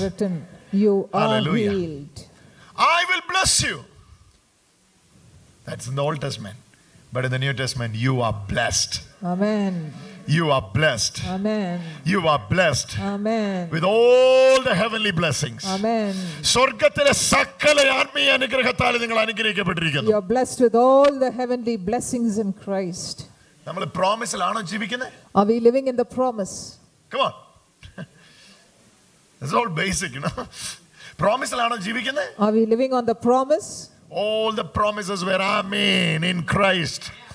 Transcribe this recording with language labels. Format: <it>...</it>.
<en>Where it is written, you Hallelujah. Are healed. I will bless you. That's in the Old Testament. But in the New Testament, you are blessed. Amen. You are blessed. Amen. You are blessed. Amen. With all the heavenly blessings. Amen.</en> <ml>സ്വർഗ്ഗത്തിലെ സകല ആത്മീയ അനുഗ്രഹത്താൽ നിങ്ങൾ അനുഗ്രഹിക്കപ്പെട്ടിരിക്കുന്നു.</ml> <en>You are blessed with all the heavenly blessings in Christ.</en> <ml>നമ്മൾ പ്രോമിസിലാണോ ജീവിക്കുന്നത്?</ml> <en>Are we living in the promise? Come on. It's all basic, you know.</en> <ml>പ്രോമിസിലാണോ ജീവിക്കുന്നത്?</ml> <en>Are we living on the promise? All the promises were amen in Christ.</en>